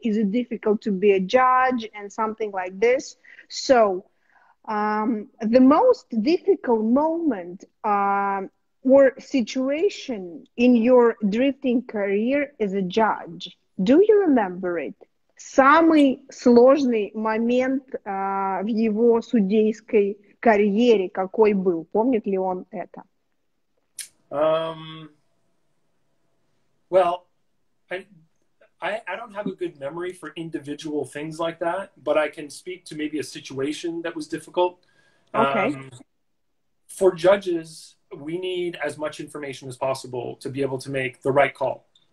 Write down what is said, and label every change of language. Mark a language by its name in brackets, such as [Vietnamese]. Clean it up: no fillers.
[English] Is it difficult to be a judge and something like this? So, the most difficult moment or situation in your drifting career as a judge, do you remember it? [Russian] Самый сложный момент в его судейской карьере какой был? Помнит ли он это? [English] Well, I don't have a good memory for individual things like that, but I can speak to maybe a situation that was difficult. Okay. For judges, we need as much information as possible to be able to make the right call.